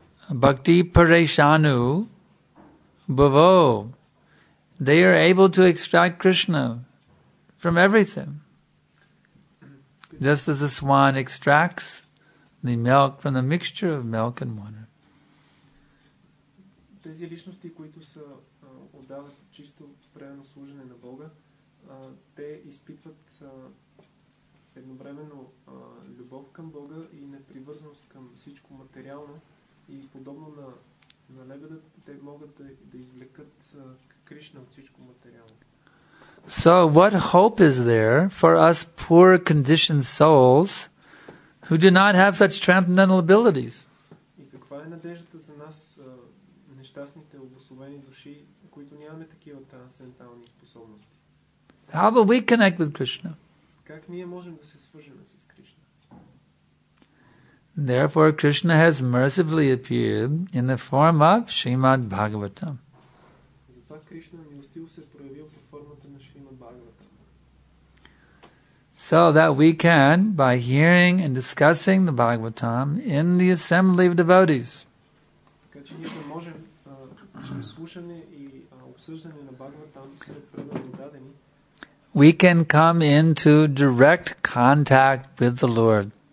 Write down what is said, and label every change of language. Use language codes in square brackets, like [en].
[sa] Bhakti pareshanu bhavo. [en] they are able to extract Krishna from everything. Just as a swan extracts the milk from the mixture of milk and water. [bg] Тези личности, които са отдават чисто преданно служене на Бога, те изпитват едновременно любов към Бога и непривързаност към всичко материално и подобно на лебеда, те могат да извлекат Кришна от всичко материално. [en] So what hope is there for us poor conditioned souls who do not have such transcendental abilities? [bg] И каква е надеждата за нас нещастните обособени души, които нямаме такива трансцендентални способности? [en] How will we connect with Krishna? [bg] Как ние можем да се свържем с Кришна? [en] Therefore Krishna has mercifully appeared in the form of Srimad Bhagavatam. [bg] Затова Кришна милостиво се проявил под формата на Шримад Бхагаватам. [en] So that we can, by hearing and discussing the Bhagavatam in the assembly of devotees. [bg] Така че ние можем чрез слушане и обсъждане на Бхагаватам сред преданодадени. [en] We can come into direct contact with the Lord.